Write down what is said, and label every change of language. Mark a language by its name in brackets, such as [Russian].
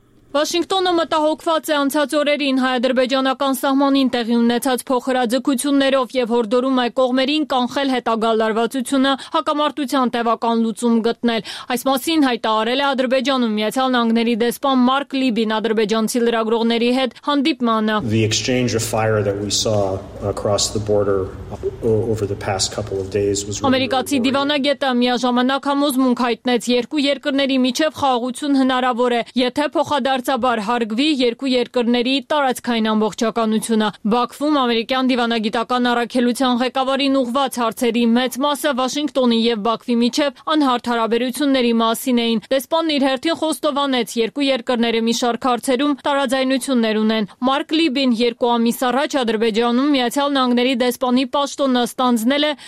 [Armenian] Վաշինգտոնը մտահոգված է անցած օրերին հայ-ադրբեջանական սահմանին տեղի ունեցած փոխհրաձգություններով և հորդորում է կողմերին կանխել հետագա լարվածությունը հակամարտության տևական լուծում գտնել։ Այս մասին հայտարարել է Ադրբեջանում Միացյալ Նահանգների դեսպան Մարկ Լիբին ադրբեջանցի լրագրողների հետ հանդիպմանը։ [English] The exchange of fire that we saw across the border over the past couple of days was [Armenian] Ամերիկացի դիվանագետը միաժամանակ համոզմունք հայտնեց, երկու երկրների միջև խաղաղություն հնարավոր է, եթե փոխ դարձաբար հարգվի երկու երկրների տարածքային ամբողջականությունը։ Բաքվում ամերիկյան դիվանագիտական առաքելության ղեկավարին ուղված հարցերի մեծ մասը Վաշինգտոնի և Բաքվի միջև անհարթ հարաբերությունների մասին էին։ Դեսպանն իր հերթին խոստովանեց, երկու երկրները մի շարք հարցերում տարաձայնություններ ունեն։ Մարկ Լիբին երկու ամիս առաջ Ադրբեջանում Միացյալ Նահանգների դեսպանի պաշտոնը ստանձնել է